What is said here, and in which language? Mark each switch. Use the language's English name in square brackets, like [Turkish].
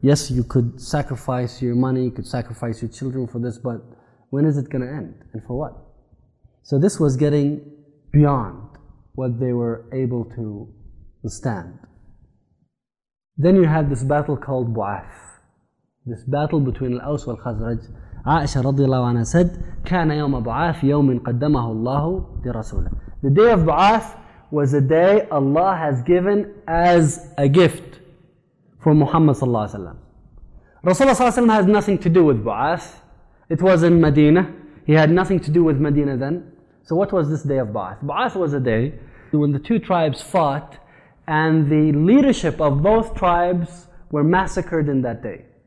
[English] Yes, you could sacrifice your money. You could sacrifice your children for this, but when is it going to end and for what? So this was getting beyond what they were able to withstand. Then you had this battle called Bu'ath. This battle between Al-Aws wal-Khazraj. Aisha radiallahu anha said, [Arabic] كان يوم بعاث يوم قدمه الله لرسوله. [English] The day of Bu'ath was a day Allah has given as a gift for Muhammad sallallahu alayhi wa sallam. Rasulullah sallallahu alayhi wa sallam has nothing to do with Bu'ath. It was in Medina. He had nothing to do with Medina then. So what was this day of Bu'ath? Bu'ath was a day when the two tribes fought and the leadership of both tribes were massacred in that day.